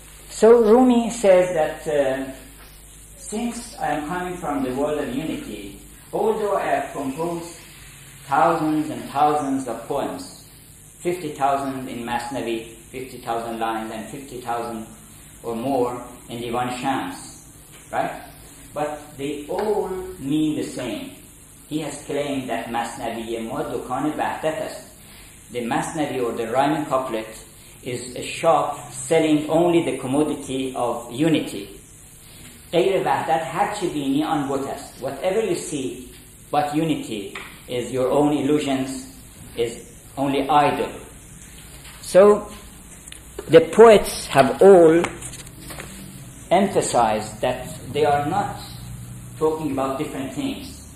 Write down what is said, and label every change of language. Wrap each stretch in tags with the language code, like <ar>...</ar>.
<en>So Rumi says that since I am coming from the world of unity, although I have composed thousands and thousands of poems, 50,000 in Masnavi, 50,000 lines, and 50,000 or more in Divan Shams, right? But they all mean the same. He has claimed that Masnavi Yemodukane Bahtatas, the Masnavi or the rhyming couplet, is a shop selling only the commodity of unity.</en> <fa>غیر وحدت هرچی بینی آن بت است.</fa> <en>Whatever you see but unity is your own illusions, is only idol. So the poets have all emphasized that they are not talking about different things.</en>